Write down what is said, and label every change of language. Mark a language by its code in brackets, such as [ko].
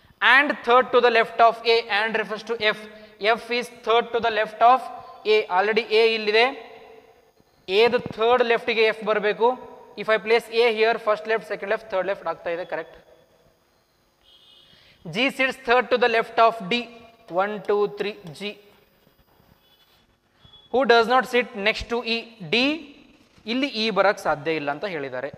[en] And third to the left of A. And refers to F. F is third to the left of A. [kn] Already A ಇಲ್ಲಿದೆ, ಎದ third ಲೆಫ್ಟ್ಗೆ F ಬರಬೇಕು. [en] If I place A here, first left, second left, third left ಆಗ್ತಾ ಇದೆ. Correct. G sits third to the left of D. 1, 2, 3, G. Who does not sit next to E? D. [kn] ಇಲ್ಲಿ E ಬರಕ್ ಸಾಧ್ಯ ಇಲ್ಲ ಅಂತ ಹೇಳಿದ್ದಾರೆ.